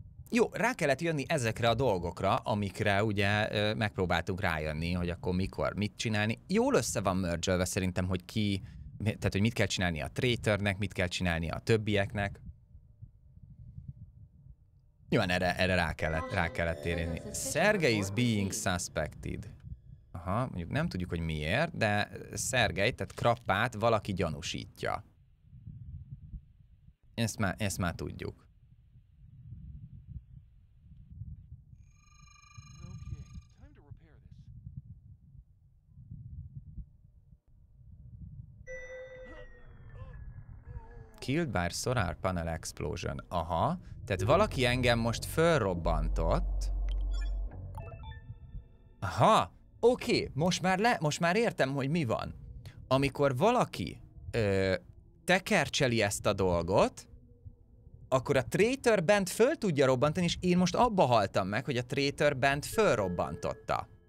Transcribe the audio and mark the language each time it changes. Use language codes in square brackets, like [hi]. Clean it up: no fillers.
[hu] Jó, rá kellett jönni ezekre a dolgokra, amikre ugye megpróbáltunk rájönni, hogy akkor mikor, mit csinálni. Jól össze van mergelve szerintem, hogy ki, tehát hogy mit kell csinálni a traitornek, mit kell csinálni a többieknek. Jó, erre rá kellett érni. [en] Sergej is being suspected. [hu] Aha, mondjuk nem tudjuk, hogy miért, de Sergej, tehát Krappát valaki gyanúsítja. Ezt már tudjuk. [en] Killed by solar panel explosion. Aha. [hu] Tehát valaki engem most fölrobbantott. Aha. Oké. Most már értem, hogy mi van. Amikor valaki tekercseli ezt a dolgot, akkor a traitor bent föl tudja robbantani, és én most abba haltam meg, hogy a traitor bent fölrobbantotta.